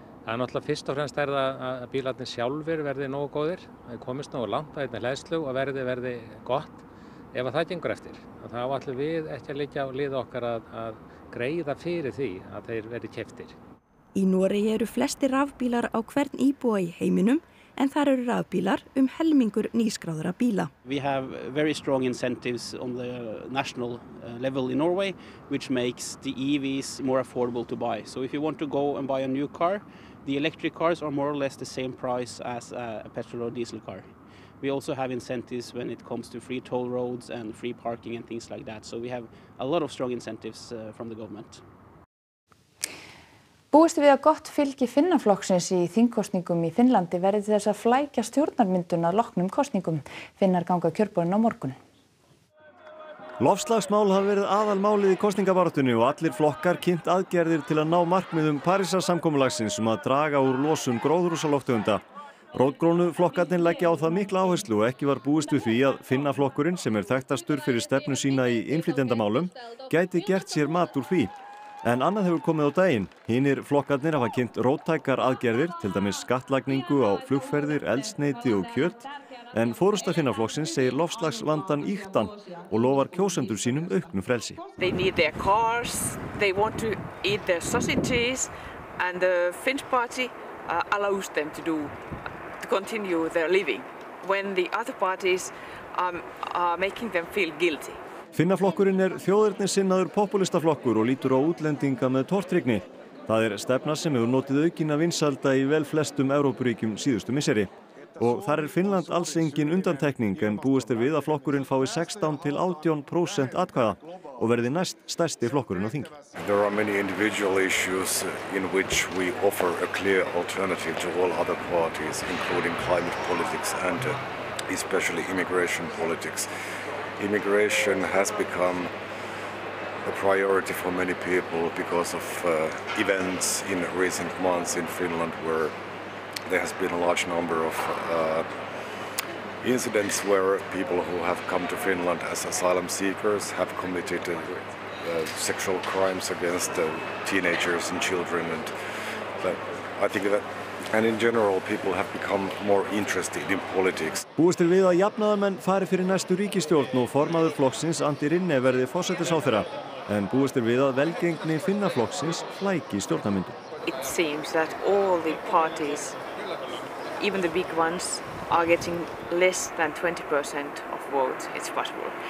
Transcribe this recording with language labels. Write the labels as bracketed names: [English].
[Icelandic] Það er náttúrulega fyrst og fremst er það að bílarnir sjálfur verði nógu góðir, að þeir komist nógu langt að þetta hleðslu og verði gott. Ef að það gengur eftir, þá ætlum við ekki að liggja á lið okkar að greiða fyrir því að þeir verði keftir. Í Noregi eru flestir rafbílar á hvern íbúa í heiminum, en þar eru rafbílar helmingur nýskráðra bíla. [English] We have very strong incentives on the national level in Norway, which makes the EVs more affordable to buy. So if you want to go and buy a new car, the electric cars are more or less the same price as a petrol or diesel car. We also have incentives when it comes to free toll roads and free parking and things like that. So we have a lot of strong incentives from the government. [Icelandic] Búistu við að gott fylgi Finnaflokksins í þingkosningum í Finnlandi verði þess að flækja stjórnarmyndun að loknum kosningum. Finnar ganga kjörborinn á morgun. Loftslagsmál hafa verið aðalmálið í kosningabaráttunni og allir flokkar kynnt aðgerðir til að ná markmiðum Parísarsamkomulagsins að draga úr losun gróðurhúsalofttegunda. Rótgrónu flokkarnir leggja á það mikla áherslu og ekki var búist við því að Finnaflokkurinn sem þekktastur fyrir stefnu sína í innflytjendamálum gæti gert sér mat úr því. En annað hefur komið á daginn. Hinir flokkarnir hafa kynnt róttækar aðgerðir, til dæmis skattlagningu á flugferðir, eldsneyti og kjöt. En forysta Finnaflokksins segir loftslagsvandan ýktan og lofar kjósendur sínum auknu frelsi. [English] They need their cars, they want to eat their sausages and the Finnish party allows them to do, to continue their living when the other parties are making them feel guilty. [Icelandic] Finnaflokkurinn þjóðernissinnaður populistaflokkur og lítur á útlendinga með tortryggni. Það stefna sem hefur notið aukinna vinsalda í vel flestum Evrópuríkjum síðustu misseri. Og þar Finnland alls engin undantekning en búist við að flokkurinn fái 16-18% atkvæða og verði næst stærsti flokkurinn á þingi. [English] There are many individual issues in which we offer a clear alternative to all other parties, including climate politics and especially immigration politics. Immigration has become a priority for many people because of events in recent months in Finland where there has been a large number of incidents where people who have come to Finland as asylum seekers have committed sexual crimes against teenagers and children. And I think that and in general people have become more interested in politics. [Icelandic] Búist við að jafnaðarmenn fari fyrir næstu ríkisstjórn og formaður flokksins Antti Rinne verði forsætisráðherra. En búist við að velgengni Finnaflokksins flæki stjórnarmyndun. [English] It seems that all the parties, even the big ones, are getting less than 20% of votes. It's possible.